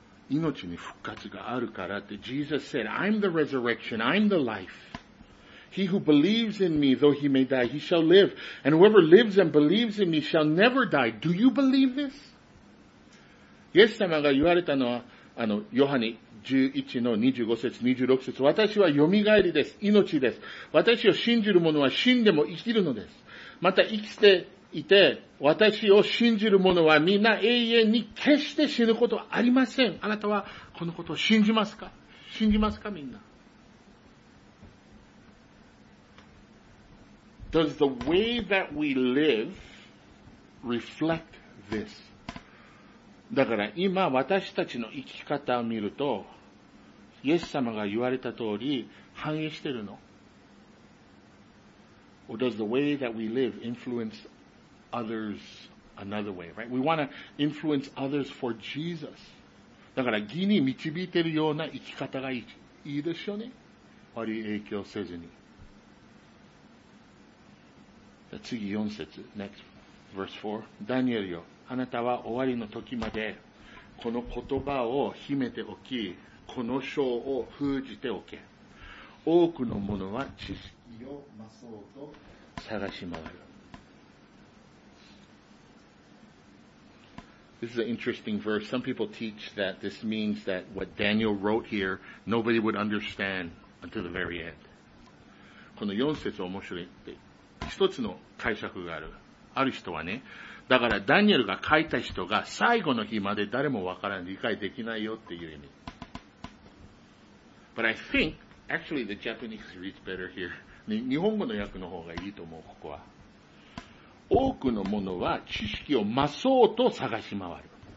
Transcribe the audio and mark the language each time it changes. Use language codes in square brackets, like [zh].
[ja] 命に復活があるからって。 [en] Jesus said, I'm the resurrection, I'm the life. He who believes in me, though he may die, he shall live. And whoever lives and believes in me shall never die. Do you believe this? [ja] イエス様が言われたのは、あの、ヨハネ11の25節、26節、私は蘇りです。命です。私を信じる者は死んでも生きるのです。また生きていて、私を信じる者は皆永遠に決して死ぬことはありません。あなたはこのことを信じますか? 信じますか?みんな。 [en] Does the way that we live reflect this? [ja] だから今私たちの生き方を見ると、イエス様が言われた通り反映してるの? [en] Or does the way that we live influence others another way, right? We want to influence others for Jesus. [ja] だから義に導いてるような生き方がいいでしょうね。悪い影響せずに。次4節、 [en] next verse 4。 [ja] ダニエルよ、あなたは終わりの時までこの言葉を秘めておき、この書を封じておけ。多くの者は知識を増そうと探し回る。 [en] This is an interesting verse. Some people teach that this means that what Daniel wrote here, nobody would understand until the very end. [ja] この4節面白いって。一つの解釈がある。ある人はね、だからダニエルが書いた人が最後の日まで誰もわからない、理解できないよっていう意味。 [en] But I think, actually the Japanese reads better here. [ja] 日本語の訳の方がいいと思う、ここは。多くの者は知識を増そうと探し回る。